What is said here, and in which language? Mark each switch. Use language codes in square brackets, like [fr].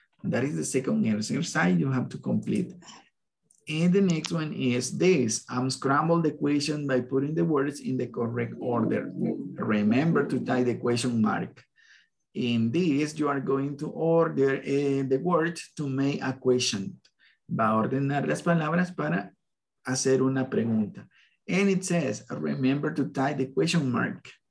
[en] That is the second exercise you have to complete. And the next one is this. I'm scrambled the question by putting the words in the correct order. Remember to tie the question mark. In this, you are going to order the words to make a question. [es] Va a ordenar las palabras para hacer una pregunta. [en] And it says, remember to tie the question mark.